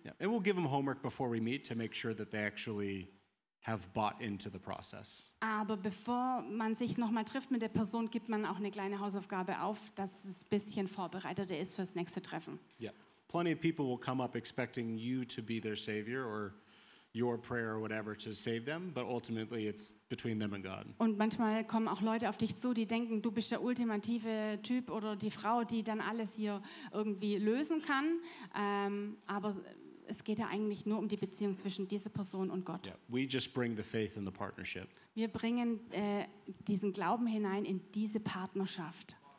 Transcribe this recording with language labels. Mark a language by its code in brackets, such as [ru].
[en] Yeah, and we'll give them homework before we meet to make sure that they actually have bought into the process. [de] Aber bevor man sich nochmal trifft mit der Person, gibt man auch eine kleine Hausaufgabe auf, dass es ein bisschen vorbereiteter ist fürs nächste Treffen. [en] Yeah. Plenty of people will come up expecting you to be their savior or your prayer or whatever to save them, but ultimately it's between them and God. [de] Und manchmal kommen auch Leute auf dich zu, die denken, du bist der ultimative Typ oder die Frau, die dann alles hier irgendwie lösen kann, aber es geht ja eigentlich nur um die Beziehung zwischen dieser Person und Gott. [en] Yeah, we just bring the faith in the partnership. [de] Wir bringen diesen Glauben hinein in diese Partnerschaft.